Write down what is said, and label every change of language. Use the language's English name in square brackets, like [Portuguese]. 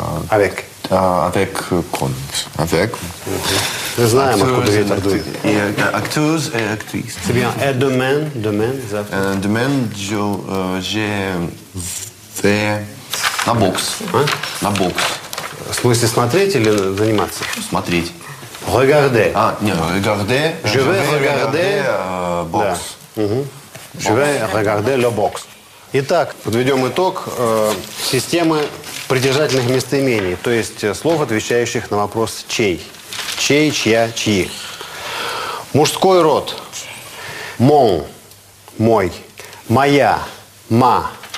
[French] Avec. Avec con. Avec. Je sais pas comment dire. Acteurs et actrices. C'est bien. Et demain, demain, demain, j'ai fait la boxe. Hein? La boxe. [Russian] В смысле смотреть или заниматься? Смотреть. [French] Regardez. Ah, non, regardez. Je vais regarder la boxe. Je vais regarder la boxe. [Russian] Итак, подведем итог системы притяжательных местоимений, то есть слов, отвечающих на вопрос «чей». «Чей», «чья», «чьи». Мужской род. Мон – мой. Моя – ма.